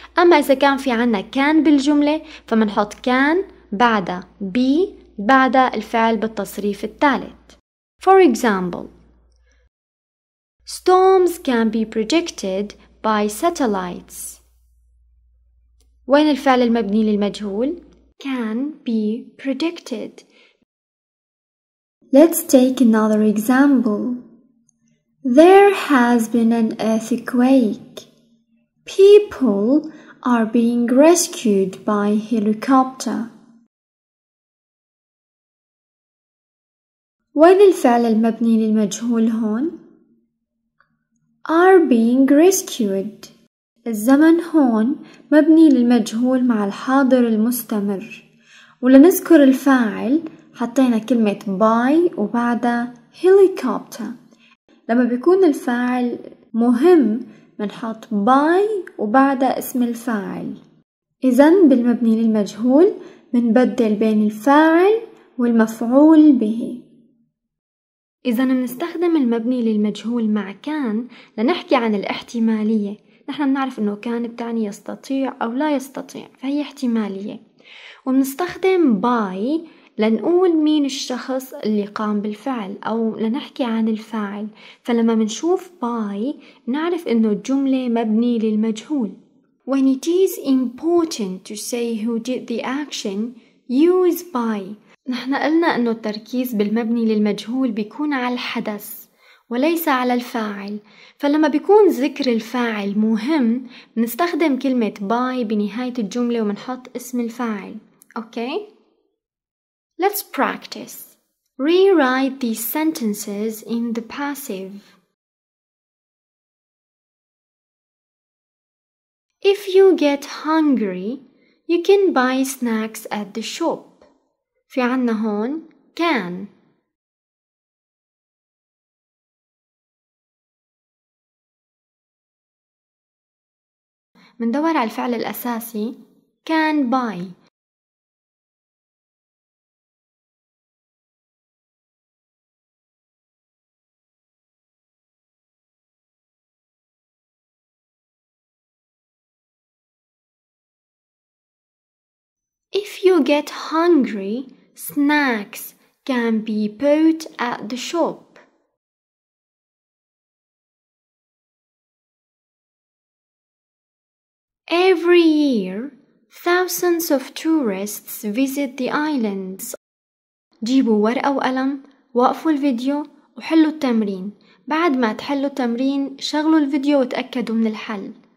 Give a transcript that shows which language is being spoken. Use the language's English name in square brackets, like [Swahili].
[Arabic] أما إذا كان في عنا كان بالجملة فمنحط كان بعد be بعد الفعل بالتصريف الثالث. [English] For example، Storms can be predicted by satellites. [Arabic] وين الفعل المبني للمجهول؟ [English] Can be predicted. Let's take another example. There has been an earthquake. People are being rescued by helicopter. [Arabic] وين الفعل المبني للمجهول هون؟ [English] are being rescued. [Arabic] الزمن هون مبني للمجهول مع الحاضر المستمر، ولنذكر الفاعل حطينا كلمة by وبعدها helicopter. لما بيكون الفاعل مهم منحط by وبعدها اسم الفاعل. إذن بالمبني للمجهول منبدل بين الفاعل والمفعول به. إذا منستخدم المبني للمجهول مع كان لنحكي عن الاحتمالية. نحن بنعرف إنه كان بتعني يستطيع أو لا يستطيع، فهي احتمالية. ومنستخدم باي لنقول مين الشخص اللي قام بالفعل أو لنحكي عن الفاعل. فلما منشوف باي نعرف إنه الجملة مبني للمجهول. [English] When it is important to say who did the action, use by. [Arabic] نحن قلنا أنه التركيز بالمبني للمجهول بيكون على الحدث وليس على الفاعل، فلما بيكون ذكر الفاعل مهم بنستخدم كلمة by بنهاية الجملة ومنحط اسم الفاعل. [English] Okay? Let's practice. Rewrite these sentences in the passive. If you get hungry, you can buy snacks at the shop. [Arabic] في عنا هون can. مندور على الفعل الأساسي [English] can buy. If you get hungry, snacks can be bought at the shop. Every year, thousands of tourists visit the islands. [Arabic] جيبوا ورقة وقلم، وقفوا الفيديو وحلوا التمرين. بعد ما تحلوا التمرين، شغلوا الفيديو وتأكدوا من الحل.